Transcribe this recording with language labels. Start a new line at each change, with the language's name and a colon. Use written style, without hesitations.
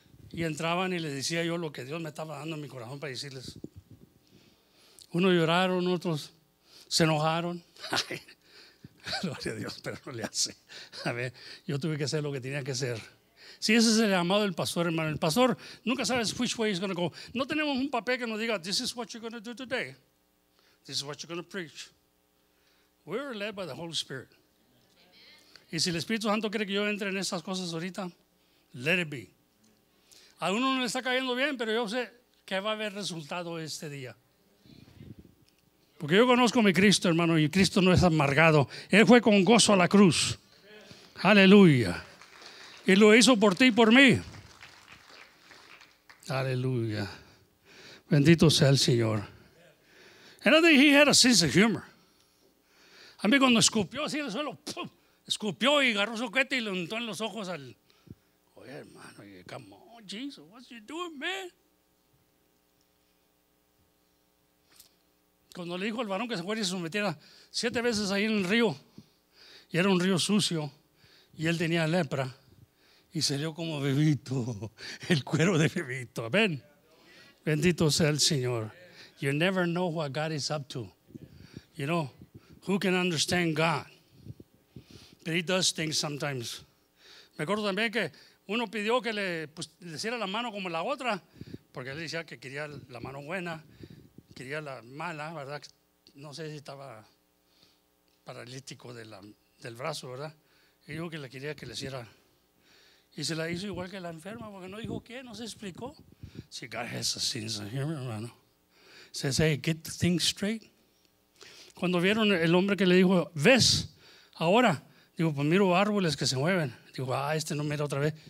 Spanish: Y entraban y les decía yo lo que Dios me estaba dando en mi corazón para decirles. Unos lloraron, otros se enojaron. Gloria a Dios, pero no le hace. A ver, yo tuve que hacer lo que tenía que hacer. Sí, ese es el llamado del pastor, hermano.
English: El pastor nunca sabe which way he's going to go. No tenemos un papel que nos diga, this is what you're going to do today. This is what you're going to preach. We're led by the Holy Spirit.
Spanish: Y si el Espíritu Santo quiere que yo entre en esas cosas ahorita, let it be. A uno no le está cayendo bien, pero yo sé que va a haber resultado este día. Porque yo conozco a mi Cristo, hermano, y Cristo no es amargado. Él fue con gozo a la cruz. Aleluya. Y lo hizo por ti y por mí. Aleluya. Bendito sea el Señor.
English: And I think he had a sense of humor.
Spanish: A mí cuando escupió así en el suelo, ¡pum!, escupió y agarró su cuete y le untó en los ojos al...
English: Oye, hermano, come on, Jesus, what you doing, man?
Spanish: Cuando le dijo al varón que se fuera y se sometiera 7 veces ahí en el río, y era un río sucio, y él tenía lepra, y salió como bebito, el cuero de bebito. Amén. Bendito sea el Señor.
English: You never know what God is up to. You know, who can understand God? But he does things sometimes.
Spanish: Me acuerdo también que uno pidió que le hiciera la mano como la otra, porque él decía que quería la mano buena, quería la mala, ¿verdad? No sé si estaba paralítico del brazo, ¿verdad? Y dijo que le quería que le hiciera. Y se la hizo igual que la enferma, porque no dijo qué, no se explicó.
English: See, God has a sense of humor, hermano. Says, hey, get the thing straight.
Spanish: Cuando vieron el hombre que le dijo, ¿ves? Ahora, digo, pues miro árboles que se mueven. Digo, ah, este no mira otra vez.